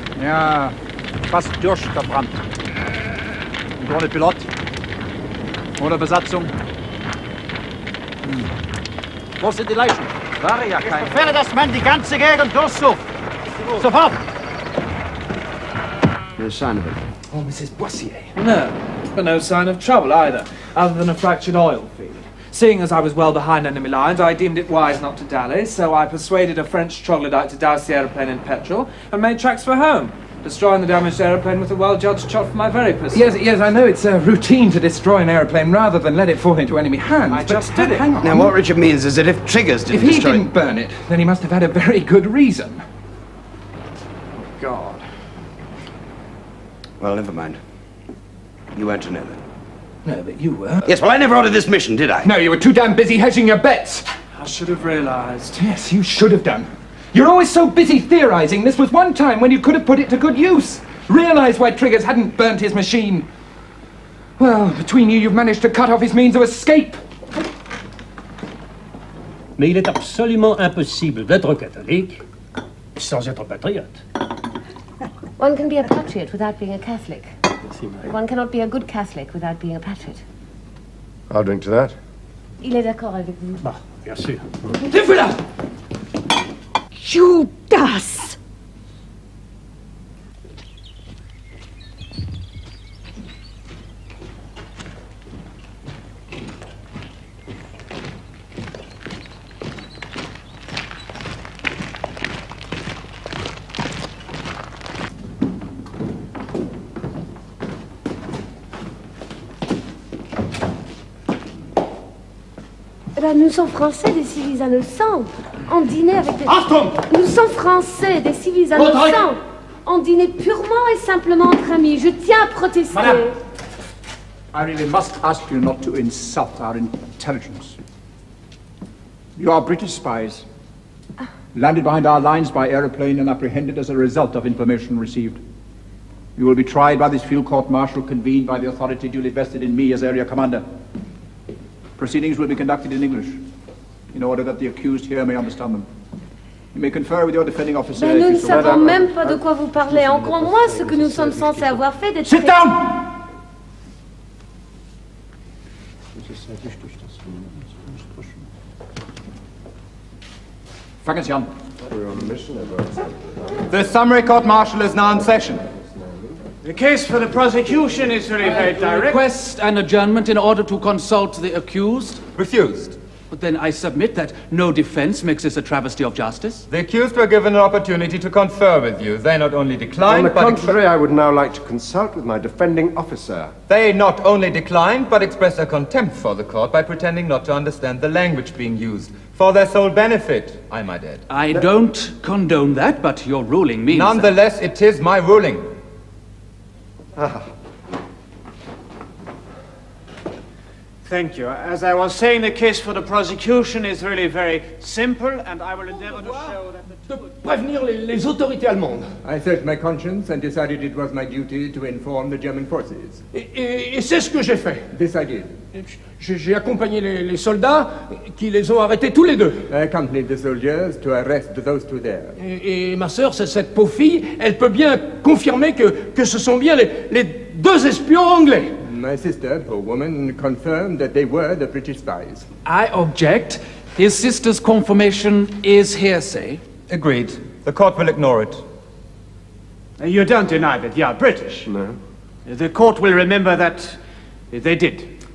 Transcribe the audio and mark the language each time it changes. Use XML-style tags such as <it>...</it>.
<de>Ja, fast durchverbrannt. Und ohne Pilot. Ohne Besatzung. Hm. Wo sind die Leichen? War ja kein. Ich befehle, dass man die ganze Gegend durchsucht. Sofort!</de> <en>No sign of it. Oh, Mrs. Boissier. No, but no sign of trouble either, other than a fractured oil field. Seeing as I was well behind enemy lines, I deemed it wise not to dally, so I persuaded a French troglodyte to douse the aeroplane in petrol and made tracks for home, destroying the damaged aeroplane with a well-judged shot from my very pistol. Yes, yes, I know it's a routine to destroy an aeroplane rather than let it fall into enemy hands. I just did it. Now, what Richard means is that if triggers didn't destroy... If he didn't burn it, then he must have had a very good reason. Oh, God. Well, never mind. You weren't to know that. No, but you were. Yes, well, I never ordered this mission, did I? No, you were too damn busy hedging your bets. I should have realized. Yes, you should have done. You're always so busy theorizing. This was one time when you could have put it to good use. Realize why Triggers hadn't burnt his machine. Well, between you, you've managed to cut off his means of escape.</en> <fr>Mais il est absolument impossible d'être catholique sans être patriote.</fr> <en>One can be a patriot without being a Catholic. One cannot be a good Catholic without being a patriot. I'll drink to that.</en> <fr>Il est d'accord avec vous. Bah, bien sûr. Lève-la! Judas! Nous sommes français des civils innocents. On dînait avec des...</fr> <de>Achtung!</de> <fr>Nous sommes français des civils innocents. On dînait purement et simplement entre amis. Je tiens à protester.</fr> <en>Madame, I really must ask you not to insult our intelligence. You are British spies. Landed behind our lines by aeroplane and apprehended as a result of information received. You will be tried by this field court-martial convened by the authority duly vested in me as area commander. Proceedings will be conducted in English, in order that the accused here may understand them. You may confer with your defending officer.</en> <fr>Mais nous ne savons même pas de quoi vous parlez. Encore moins ce que nous sommes censés avoir fait d'être.</fr> <en>Sit down!</en> <de>Fangen Sie an.</de> <en>we're on a mission ever. The summary court-martial is now in session. The case for the prosecution is very, very direct. Request an adjournment in order to consult the accused. Refused. But then I submit that no defense makes this a travesty of justice. The accused were given an opportunity to confer with you. They not only declined, but... On the contrary, I would now like to consult with my defending officer. They not only declined, but expressed a contempt for the court by pretending not to understand the language being used. For their sole benefit, I might add. I don't condone that, but your ruling means... Nonetheless, that... it is my ruling. Thank you. As I was saying, the case for the prosecution is really very simple, and I will endeavor to show that the...</en> <fr>De prévenir les autorités allemandes.</fr> <en>I searched my conscience and decided it was my duty to inform the German forces.</en> <fr>Et c'est ce que j'ai fait.</fr> <en>This I did.</en> <fr>J'ai accompagné les soldats qui les ont arrêtés tous les deux.</fr> <en>I accompanied the soldiers to arrest those two there.</en> <fr>Et ma sœur, c'est cette pauvre fille, elle peut bien confirmer que ce sont bien les deux espions anglais.</fr> <en>My sister, poor woman, confirmed that they were the British spies. I object. His sister's confirmation is hearsay. Agreed. The court will ignore it. You don't deny that they are British? No. The court will remember that they did.</en>